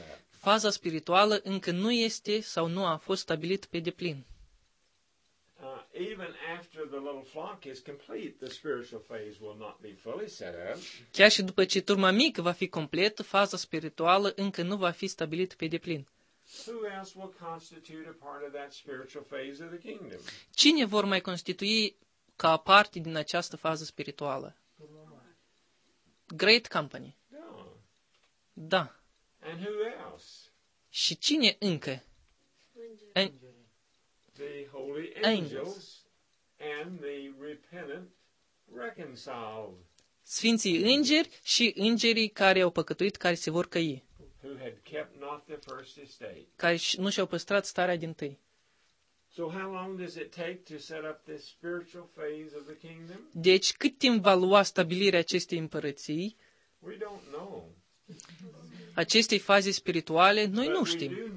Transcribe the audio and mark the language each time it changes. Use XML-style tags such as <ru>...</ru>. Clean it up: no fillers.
<ro>Faza spirituală încă nu este sau nu a fost stabilită pe deplin.</ro> <en>Even after the little flock is complete, the spiritual phase will not be fully set up.</en> <ro>Chiar și după ce turma mică va fi completă, faza spirituală încă nu va fi stabilită pe deplin.</ro> <en>Who else will constitute a part of that spiritual phase of the kingdom?</en> <ro>Cine vor mai constitui ca parte din această fază spirituală?</ro> <en>Great Company. No.</en> <ro>Da.</ro> <en>And who else?</en> <ro>Și cine încă?</ro> <en>The holy angels and the repentant reconciled.</en> <ro>Sfinții îngeri și îngerii care au păcătuit, care se vor căi.</ro> <en>Who had kept not the first estate.</en> <ro>Care nu și-au păstrat starea din tâi.</ro> <en>So how long does it take to set up this spiritual phase of the kingdom?</en> <ro>Deci cât timp va lua stabilirea acestei împărății?</ro> <en>We don't know.</en> <ro>Acestei faze spirituale, noi nu știm.</ro>